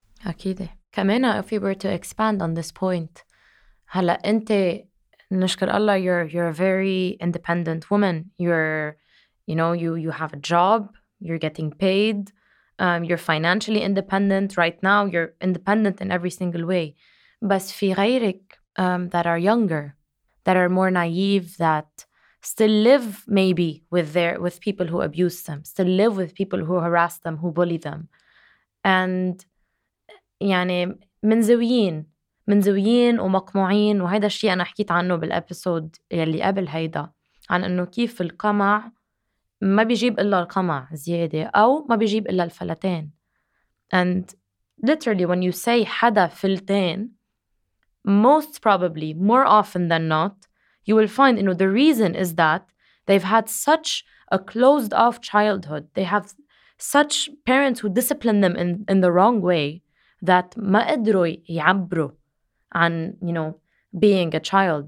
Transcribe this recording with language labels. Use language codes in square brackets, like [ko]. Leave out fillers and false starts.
[ar] أكيد كمان [en] if you were to expand on this point [ar] هلا أنت نشكر الله [en] you're a very independent woman you have a job you're getting paid you're financially independent right now you're independent in every single way [ar] بس في غيرك [en] that are younger, that are more naive, that still live maybe with people who abuse them, still live with people who harass them, who bully them. [ar] And يعني منزويين ومقموعين وهذا الشيء أنا حكيت عنه بالأبسود اللي قبل هيدا عن أنه كيف القمع ما بيجيب إلا القمع زيادة أو ما بيجيب إلا الفلتين. [en] And literally when you say [ar] حدا فلتين [en] most probably, more often than not, you will find, you know, the reason is that they've had such a closed-off childhood. They have such parents who discipline them in the wrong way that [ar] ما قدروا يعبروا عن, [en] you know, being a child.